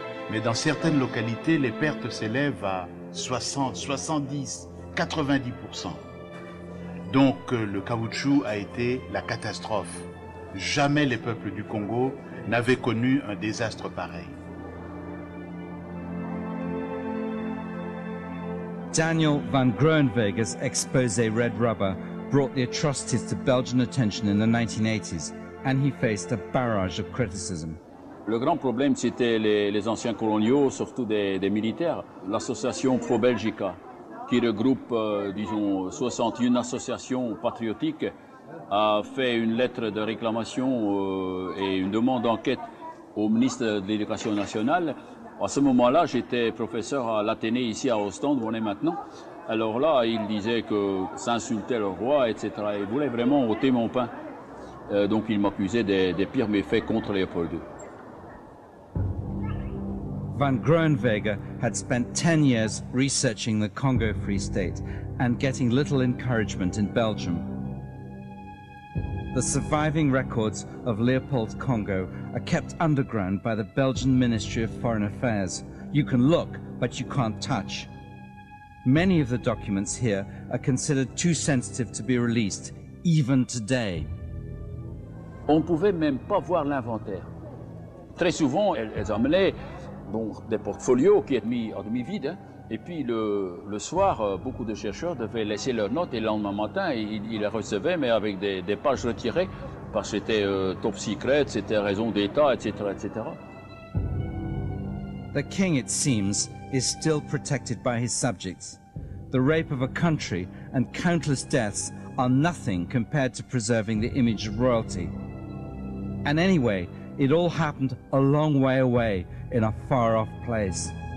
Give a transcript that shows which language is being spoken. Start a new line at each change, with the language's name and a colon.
French: Mais dans certaines localités, les pertes s'élèvent à 60, 70, 90%. Donc le caoutchouc a été la catastrophe. Jamais les peuples du Congo n'avaient connu un désastre pareil.
English: Daniel van Groenwegen's exposé Red Rubber brought the atrocities to Belgian attention in the 1980s and he faced a barrage of criticism.
French: Le grand problème c'était les anciens coloniaux, surtout des militaires, l'association Pro Belgica, qui regroupe, disons, 61 associations patriotiques, a fait une lettre de réclamation et une demande d'enquête au ministre de l'Éducation nationale. À ce moment-là, j'étais professeur à l'Athénée, ici à Ostende, où on est maintenant. Alors là, il disait que ça insultait le roi, etc. Il voulait vraiment ôter mon pain. Donc il m'accusait des pires méfaits contre Léopold II.
English: Van Groenwegen had spent 10 years researching the Congo Free State and getting little encouragement in Belgium. The surviving records of Leopold Congo are kept underground by the Belgian Ministry of Foreign Affairs. You can look, but you can't touch. Many of the documents here are considered too sensitive to be released, even today.
French: On pouvait même pas voir l'inventaire. Très souvent, elles emmenaient bon, des portfolios qui étaient mis en demi-vide. Hein. Et puis le soir, beaucoup de chercheurs devaient laisser leurs notes et le lendemain matin, ils les recevaient, mais avec des pages retirées, parce que c'était top secret, c'était raison d'État, etc., etc.
English: The king, it seems, is still protected by his subjects. The rape of a country and countless deaths are nothing compared to preserving the image of royalty. And anyway, it all happened a long way away, in a far-off place.